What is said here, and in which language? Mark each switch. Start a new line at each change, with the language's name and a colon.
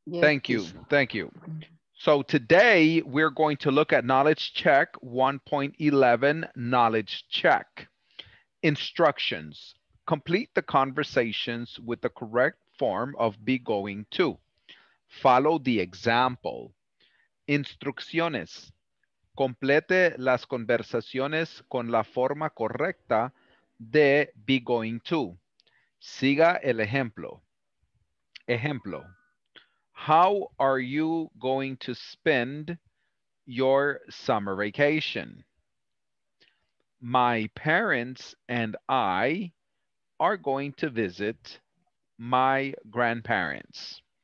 English: Thank you. Thank you. So today we're going to look at knowledge check 1.11, knowledge check. Instructions. Complete the conversations with the correct form of be going to. Follow the example.
Spanish: Instrucciones. Complete las conversaciones con la forma correcta de be going to. Siga el ejemplo. Ejemplo.
English: How are you going to spend your summer vacation? My parents and I are going to visit my grandparents.